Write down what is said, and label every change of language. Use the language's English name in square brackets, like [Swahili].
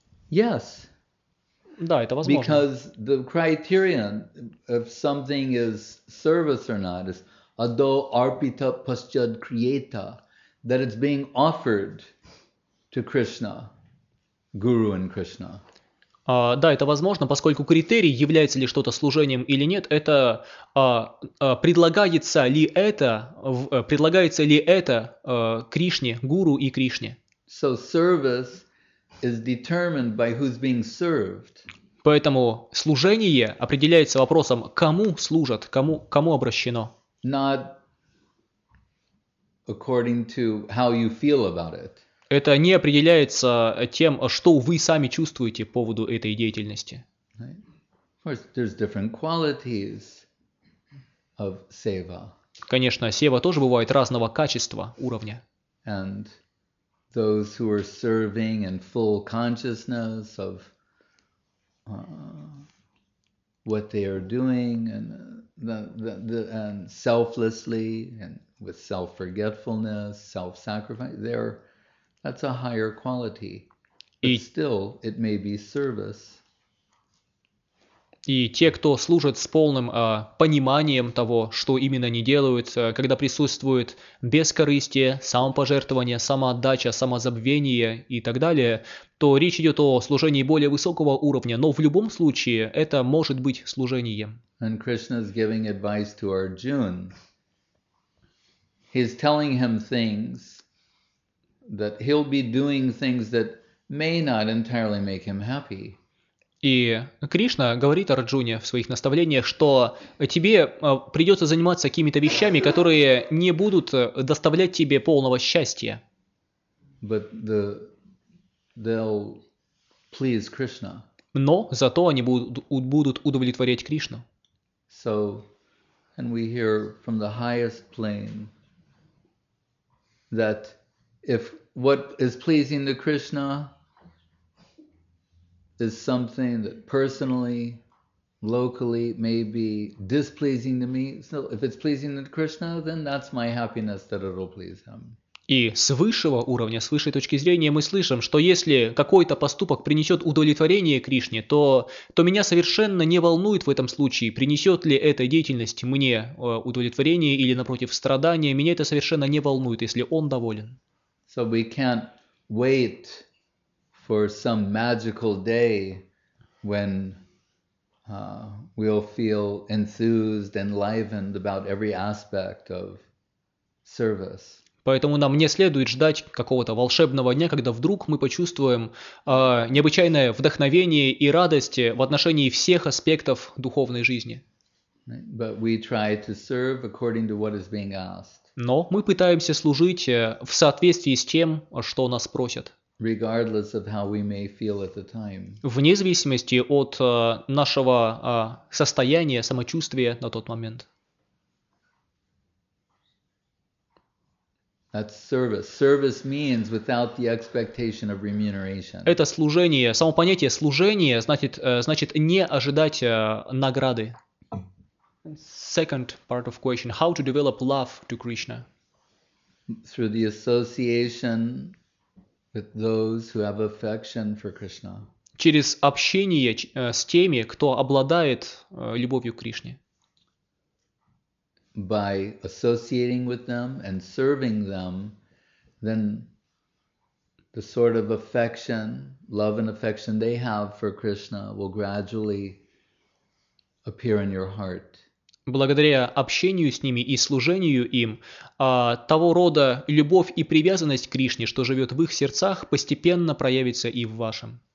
[English] Yes. [Russian] Да, это возможно. [English] Because the criterion of something is service or not is [Sanskrit] ado arpita paschad kriyeta, [English] that it's being offered to Krishna, Guru and Krishna. [Russian] Да, это возможно, поскольку критерий, является ли что-то служением или нет, это предлагается ли это, Кришне, Гуру и Кришне. [English] So service is determined by who's being served. [Russian] Поэтому служение определяется вопросом, кому служат, кому обращено. [English] Not according to how you feel about it. [Russian] Это не определяется тем, что вы сами чувствуете по поводу этой деятельности. [English] Of course, there's different qualities of seva. [Russian] Конечно, сева тоже бывает разного качества, уровня. [English] And those who are serving in full consciousness of what they are doing and selflessly and with self-forgetfulness, self-sacrifice, they're... That's a higher quality. But still, it may be service. [Russian] И те, кто служат с полным пониманием того, что именно они делают, когда присутствует бескорыстие, самопожертвование, самоотдача, самозабвение и так далее, то речь идет о служении более высокого уровня, но в любом случае это может быть служением. [English] And Krishna is giving advice to Arjuna. He's telling him things that he'll be doing things that may not entirely make him happy. [Russian] И Кришна говорит Арджуне в своих наставлениях, что тебе придется заниматься какими-то вещами, которые не будут доставлять тебе полного счастья. [English] But they'll please Krishna. [Russian] Но зато они будут удовлетворять Кришну. [English] So, and we hear from the highest plane that if what is pleasing to Krishna is something that personally, locally, may be displeasing to me. So if it's pleasing to Krishna, then that's my happiness that it'll please him. [Russian] И с высшего уровня, с высшей точки зрения, мы слышим, что если какой-то поступок принесет удовлетворение Кришне, то меня совершенно не волнует в этом случае, принесет ли эта деятельность мне удовлетворение или, напротив, страдание. Меня это совершенно не волнует, если он доволен. [English] So we can't wait for some magical day when we'll feel enthused, enlivened about every aspect of service. [Russian] Поэтому нам не следует ждать какого-то волшебного дня, когда вдруг мы почувствуем необычайное вдохновение и радость в отношении всех аспектов духовной жизни. [English] But we try to serve according to what is being asked. [Russian] Но мы пытаемся служить в соответствии с тем, что нас просят. [English] Regardless of how we may feel at the time. [Russian] Вне зависимости от нашего состояния, самочувствия на тот момент. [English] That's service. Service means without the expectation of remuneration. [Russian] Это служение. Само понятие служение значит не ожидать награды. [English] Second part of question, how to develop love to Krishna? Through the association with those who have affection for Krishna. [Russian] Через общение с теми, кто обладает любовью к Кришне. [English] By associating with them and serving them, then the sort of affection, love and affection they have for Krishna will gradually appear in your heart. [Russian] Благодаря общению с ними и служению им, того рода любовь и привязанность к Кришне, что живет в их сердцах, постепенно проявится и в вашем.